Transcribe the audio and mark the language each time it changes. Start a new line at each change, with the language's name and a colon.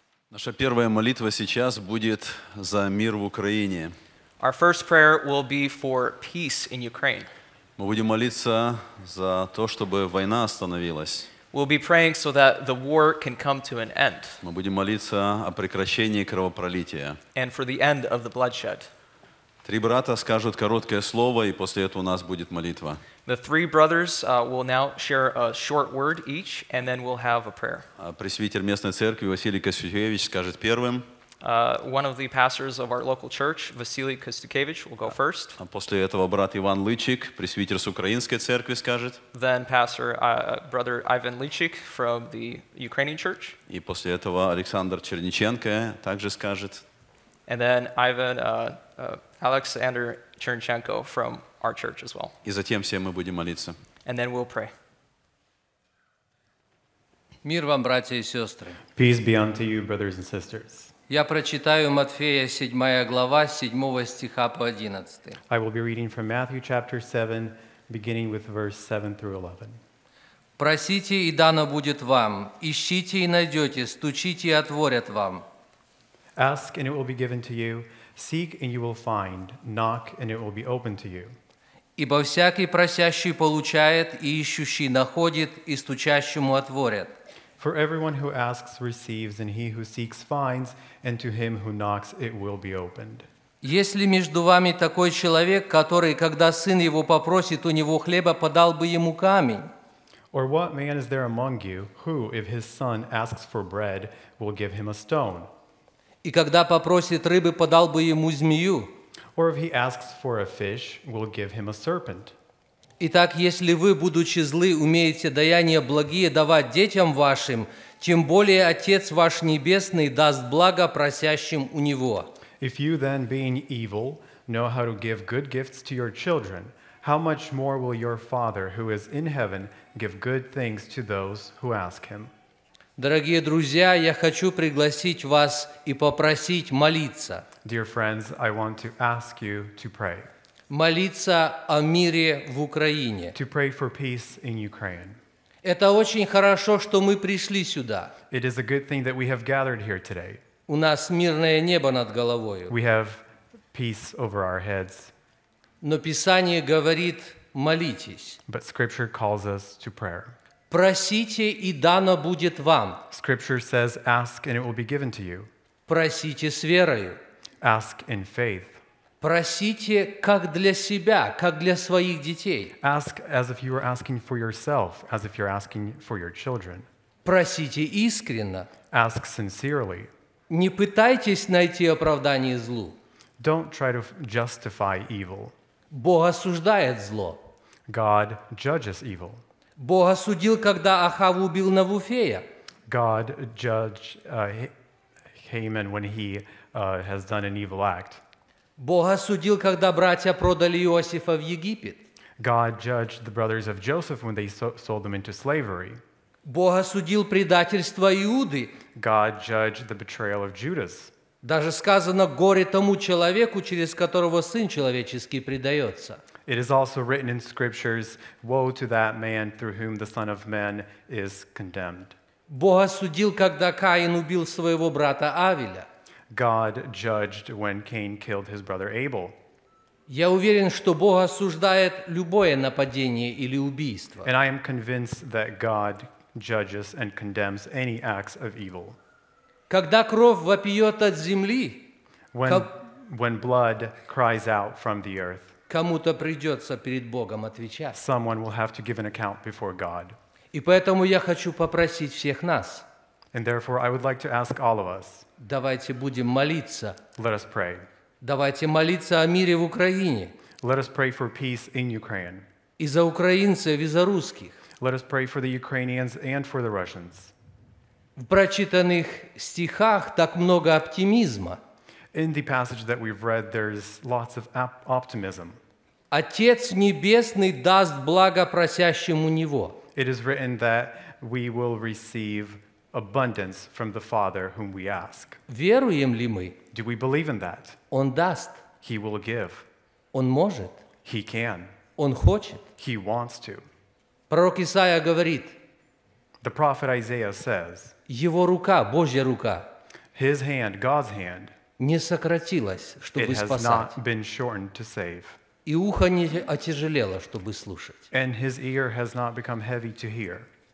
Russian: Наша первая молитва сейчас будет за мир в Украине.
English: Our first prayer will be for peace in Ukraine.
Russian: Мы будем молиться за то, чтобы война остановилась.
English: We'll be praying so that the war can come to an end.
Russian: Мы будем молиться о прекращении кровопролития.
English: And for the end of the bloodshed.
Russian: Три брата скажут короткое слово, и после этого у нас будет молитва.
English: The three brothers will now share a short word each, and then we'll have a prayer.
Russian: Пресвитер местной церкви Василий Костюкевич скажет первым.
English: One of the pastors of our local church, Василий Костюкевич, will go first.
Russian: После этого брат Иван Лычик, пресвитер с украинской церкви, скажет.
English: Then pastor brother Ivan Lychik from the Ukrainian church.
Russian: И после этого Александр Черниченко также скажет.
English: And then Ivan Александр Черниченко from our church as well.
Russian: И затем все мы будем молиться.
English: And then we'll pray.
Russian: Мир вам, братья и сестры.
English: Peace be unto you, brothers and sisters.
Russian: Я прочитаю Матфея 7 глава 7 стиха по 11.
English: I will be reading from Matthew chapter 7, beginning with verse 7 through 11.
Russian: Просите, и дано будет вам. Ищите, и найдете. Стучите, и отворят вам.
English: Ask, and it will be given to you. Seek, and you will find. Knock, and it will be opened to you.
Russian: Ибо всякий просящий получает, и ищущий находит, и стучащему отворят.
English: For everyone who asks receives, and he who seeks finds, and to him who knocks it will be opened.
Russian: Есть ли между вами такой человек, который, когда сын его попросит у него хлеба, подал бы ему камень?
English: Or what man is there among you, who, if his son asks for bread, will give him a stone?
Russian: И когда попросит рыбы, подал бы ему змею.
English: Or if he asks for a fish, will give him a serpent.
Russian: Итак, если вы, будучи злы, умеете даяния благие давать детям вашим, тем более Отец ваш Небесный даст благо просящим у Него.
English: If you then, being evil, know how to give good gifts to your children, how much more will your Father, who is in heaven, give good things to those who ask Him?
Russian: Дорогие друзья, я хочу пригласить вас и попросить молиться.
English: Dear friends, I want to ask you to pray.
Russian: Молиться о мире в Украине.
English: To pray for peace in Ukraine.
Russian: Это очень хорошо, что мы пришли сюда.
English: It is a good thing that we have gathered here today.
Russian: У нас мирное небо над головой.
English: We have peace over our heads.
Russian: Но Писание говорит: молитесь.
English: But Scripture calls us to prayer.
Russian: Просите, и дано будет вам.
English: Scripture says, ask and it will be given to you.
Russian: Просите с верою.
English: Ask in faith.
Russian: Просите как для себя, как для своих детей.
English: Ask as if you were asking for yourself, as if you're asking for your children.
Russian: Просите искренно.
English: Ask sincerely.
Russian: Не пытайтесь найти оправдание злу.
English: Don't try to justify evil.
Russian: Бог осуждает зло.
English: God judges evil.
Russian: Бог осудил, когда Ахав убил Навуфея.
English: God judged Haman when he has done an evil act.
Russian: Бог осудил, когда братья продали Иосифа в Египет.
English: God judged the brothers of Joseph when they sold them into slavery.
Russian: Бог осудил предательство Иуды.
English: God judged the betrayal of Judas.
Russian: Даже сказано: горе тому человеку, через которого Сын человеческий предается.
English: It is also written in scriptures, woe to that man through whom the Son of Man is condemned.
Russian: Бог осудил, когда Каин убил своего брата Авеля.
English: God judged when Cain killed his brother Abel.
Russian: Я уверен, что Бог осуждает любое нападение или убийство.
English: And I am convinced that God judges and condemns any acts of evil.
Russian: Когда кровь вопиет от земли,
English: when blood cries out from the earth,
Russian: кому-то придется перед Богом отвечать.
English: Someone will have to give an account before God.
Russian: И поэтому я хочу попросить всех нас.
English: And therefore, I would like to ask all of us.
Russian: Давайте будем молиться.
English: Let us pray.
Russian: Давайте молиться о мире в Украине.
English: Let us pray for peace in Ukraine.
Russian: И за украинцев, и за русских.
English: Let us pray for the Ukrainians and for the Russians.
Russian: В прочитанных стихах так много оптимизма.
English: In the passage that we've read, there's lots of optimism.
Russian: Отец небесный даст благо просящему Него.
English: It is written that we will receive abundance from the Father whom we ask.
Russian: Веруем ли мы?
English: Do we believe in that?
Russian: Он даст.
English: He will give.
Russian: Он может.
English: He can.
Russian: Он хочет.
English: He wants to.
Russian: Пророк Исаия говорит.
English: The prophet Isaiah says.
Russian: Его рука, Божья рука.
English: His hand, God's hand.
Russian: Не сократилось, чтобы спасать.
English: It has not been shortened to save.
Russian: И ухо не отяжелело, чтобы слушать.
English: And his ear has not become heavy to hear.